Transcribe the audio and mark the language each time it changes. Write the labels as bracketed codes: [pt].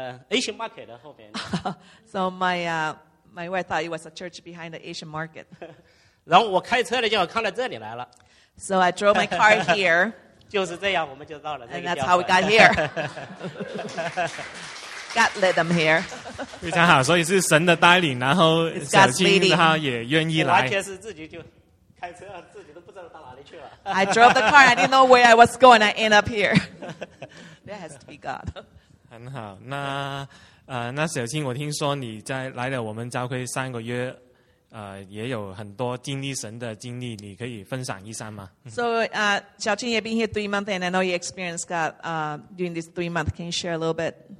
[en] Asian market [zh] 的后面。 [en] So my wife thought it was a church behind the Asian market. [zh] 然后我开车呢，就看到这里来了。 [en] So I drove my car here. [zh] 就是这样，我们就到了这个。 [en] And that's how we got here. God led them here. [zh] 非常好，所以是神的带领，然后小金他也愿意来。完全是自己就开车，自己都不知道到哪里去了。 [en] I drove the car. I didn't know where I was going. I end up here. That has to be God. [zh] 很好，那小青，我听说你在来了我们教会三个月，也有很多经历神的经历，你可以分享一下吗 [en] ？So, 小青 you've been here 3 months, and I know you experienced God, during this 3 months. Can you share a little bit?